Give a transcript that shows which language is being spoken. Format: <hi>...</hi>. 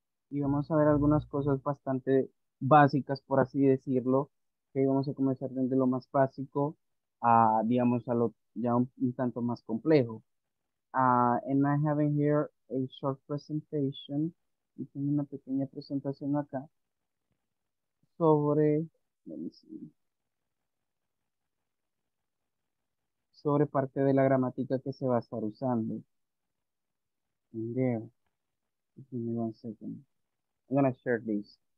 <es>Y vamos a ver algunas cosas bastante básicas, por así decirlo, que vamos a comenzar desde lo más básico a lo ya un tanto más complejo.</es> <en>And I have in here a short presentation.</en> <es>Y tengo una pequeña presentación acá sobre parte de la gramática que se va a estar usando.</es> <en>And there. Give me one second. I'm going to share this.</en>